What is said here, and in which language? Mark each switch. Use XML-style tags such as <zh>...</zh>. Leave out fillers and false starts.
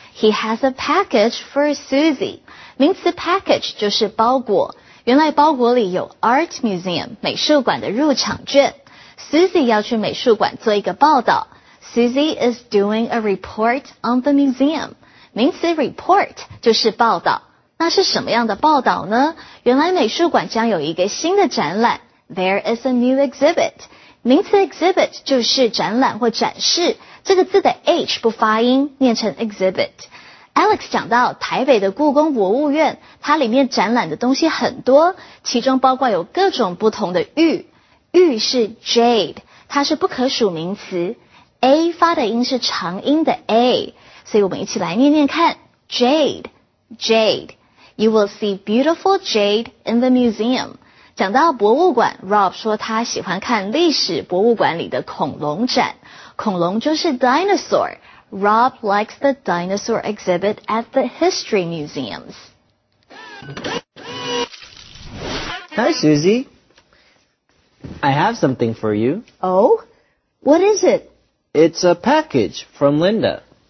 <en>He has a package for Susie.</en> <zh>名词 package 就是包裹。原来包裹里有</zh> <en>art museum,</en> <zh>美术馆的入场券。 Susie 要去美术馆做一个报道。</zh> <en>Susie is doing a report on the museum.</en> <zh>名词 report 就是报道。那是什么样的报道呢？原来美术馆将有一个新的展览。</zh> <en>There is a new exhibit.</en> <zh>名词 exhibit 就是展览或展示。这个字的 H 不发音，念成 exhibit。 Alex 讲到台北的故宫博物院，它里面展览的东西很多，其中包括有各种不同的玉。玉是 jade， 它是不可数名词。 A 发的音是长音的 A, 所以我们一起来念念看 Jade, Jade.</zh> <en>You will see beautiful jade in the museum.</en> <zh>讲到博物馆 ,Rob 说他喜欢看历史博物馆里的恐龙展。恐龙就是 dinosaur.</zh> <en>Rob likes the dinosaur exhibit at the history museums. Hi, Susie. I have something for you. Oh? What is it? It's a package from Linda.</en>